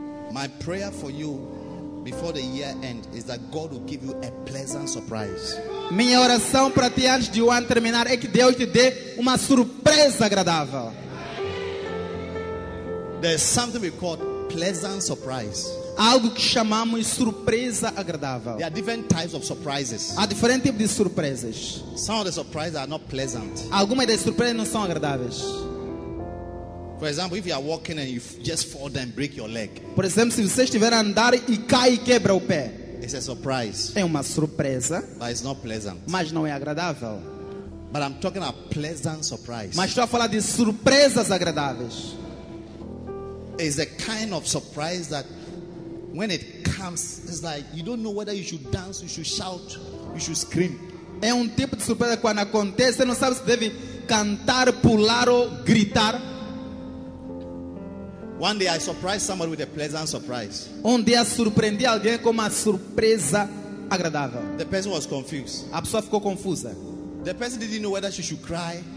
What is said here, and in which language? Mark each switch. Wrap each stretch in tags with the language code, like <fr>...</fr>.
<en>My prayer for you before the year end is that God will give you a pleasant surprise.</en> <pt>Minha oração para ti antes de o ano terminar é que Deus te dê uma surpresa agradável.</pt> <en>There's something we call pleasant surprise.</en> <pt>Algo que chamamos surpresa agradável.</pt> <en>There are different types of surprises.</en> <pt>Há diferentes tipos de surpresas.</pt> <en>Some of the surprises are not pleasant.</en> <pt>Algumas das surpresas não são agradáveis.</pt> <en>For example, if you are walking and you just fall down and break your leg.</en> <pt>Por exemplo, se você estiver a andar e cai e quebra o pé.</pt> <en>It's a surprise.</en> <pt>É uma surpresa.</pt> <en>But it's not pleasant.</en> <pt>Mas não é agradável.</pt> <en>But I'm talking about pleasant surprise.</en> <pt>Mas estou a falar de surpresas agradáveis.</pt> <en>It's the kind of surprise that when it comes, it's like you don't know whether you should dance, you should shout, you should scream.</en> <pt>É tipo de surpresa quando acontece, você não sabe se deve cantar, pular ou gritar.</pt> <en>One day I surprised somebody with a pleasant surprise.</en> <pt>Dia surpreendi alguém com uma surpresa agradável.</pt> <en>The person was confused.</en> <pt>A pessoa ficou confusa.</pt> <en>The person didn't know whether she should cry.</en>